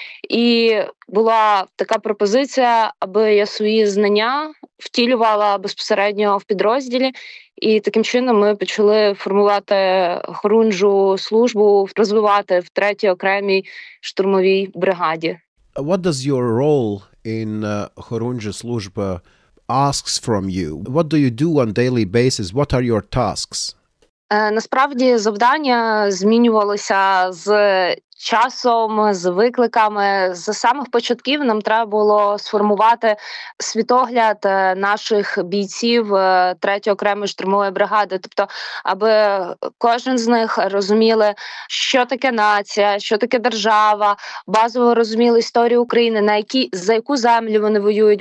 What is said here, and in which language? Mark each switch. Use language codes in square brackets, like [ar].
[uk] І була така пропозиція, аби я свої знання втілювала безпосередньо в підрозділі. І таким чином ми почали формувати хорунжу службу, розвивати в третій окремій штурмовій бригаді. [en] What does your role in хорунжу служба asks from you? What do you do on daily basis? What are your tasks? [uk] Насправді завдання змінювалося з часом, з викликами. З самих початків нам треба було сформувати світогляд наших бійців 3-ї окремої штурмової бригади. Тобто, аби кожен з них розуміли, що таке нація, що таке держава, базово розуміли історію України, за яку землю вони воюють.